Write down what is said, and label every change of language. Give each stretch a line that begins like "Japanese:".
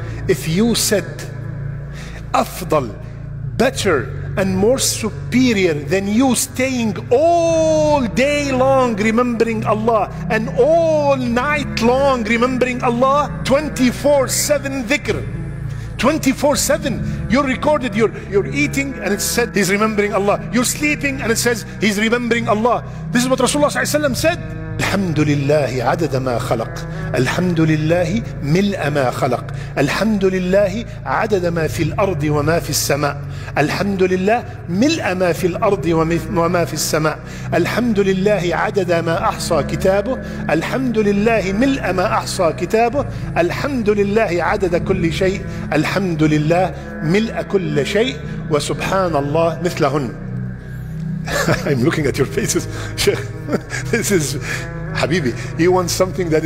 English: If you said afdal, better and more superior than you staying all day long remembering Allah and all night long remembering Allah, 24/7 dhikr, 24/7, you're recorded, you're eating and it said he's remembering Allah, you're sleeping and it says he's remembering Allah. This is what Rasulullah sallallahu alaihi wasallam said.
Arabic: الحمد لله عدد ما خلق، الحمد لله ملء ما خلق، الحمد لله عدد ما في الأرض وما في السماء، الحمد لله ملء ما في الأرض وما في السماء، الحمد لله عدد ما أحصى كتابه، الحمد لله ملء ما أحصى كتابه، الحمد لله عدد كل شيء، الحمد لله ملء كل شيء، وسبحان الله مثلهن.
English: I'm looking at your faces. This is, Habibi, you want something that is